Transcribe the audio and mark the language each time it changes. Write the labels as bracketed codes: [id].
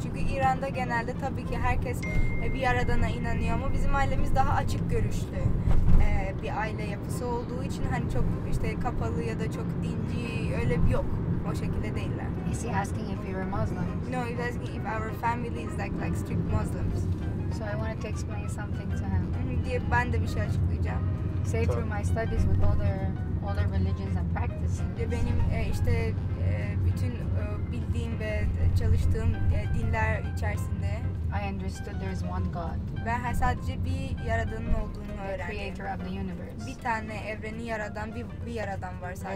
[tr] Çünkü İran'da genelde tabii ki herkes bir yaradana inanıyor ama bizim ailemiz daha açık görüşlü bir aile yapısı olduğu için hani çok işte kapalı ya da çok dinci öyle bir yok. O şekilde değiller. [en] Is he asking if we're Muslims? No, he's asking if our family is like strict Muslims. So I wanted to explain something to him. [tr] Diye ben de bir şey açıklayacağım. [en] Say through my studies with other religions and practices. [tr] Benim işte bütün bildiğim ve çalıştığım dinler içerisinde [en] I understood there is one God. [tr] Ben sadece bir yaradanın olduğunu öğrendim. [en] The creator of the universe. [tr] Bir tane evreni yaradan bir yaradan var sadece.